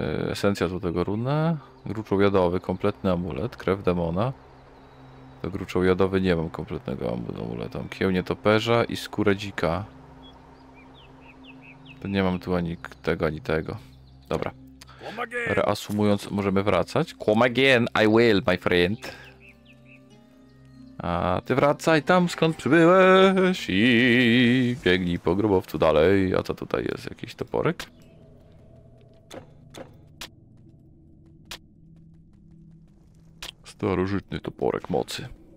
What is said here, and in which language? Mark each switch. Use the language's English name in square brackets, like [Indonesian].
[Polish] Esencja złotego runa, gruczoł jadowy, kompletny amulet, krew demona. To gruczoł jadowy, nie mam kompletnego amuletu. Kiełnie toperza i skóra dzika. To nie mam tu ani tego, ani tego. Dobra. Reasumując, możemy wracać. [English] Come again, I will, my friend. [Polish] A ty wracaj tam, skąd przybyłeś i biegnij po grobowcu dalej. A co tutaj jest? Jakiś toporek? Starożytny toporek mocy.